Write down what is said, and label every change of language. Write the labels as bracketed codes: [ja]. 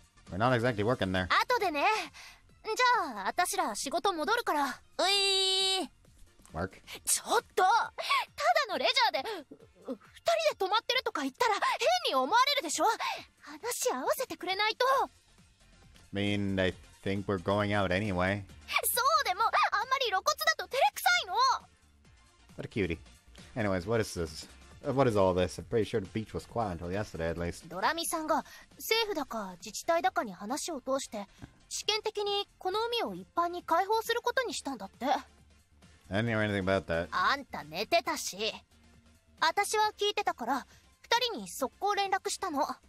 [en] We're not exactly working there [ja] 後でねじゃあ私ら仕事戻るからうい [en] Work [ja] ちょっとただのレジャーで二人で泊まってるとか言ったら変に思われるでしょ話合わせてくれないと [en] I mean, I think we're going out anyway [ja] そうでもあんまり露骨だと照れくさいの [en] What a cutie Anyways, what is this? What is all this? I'm pretty sure the beach was quiet until yesterday at least [ja] ドラミさんが政府だか自治体だかに話を通して試験的にこの海を一般に開放することにしたんだって [en] I didn't hear anything about that [ja] あんた寝てたし私は聞いてたから、二人に速攻連絡したの。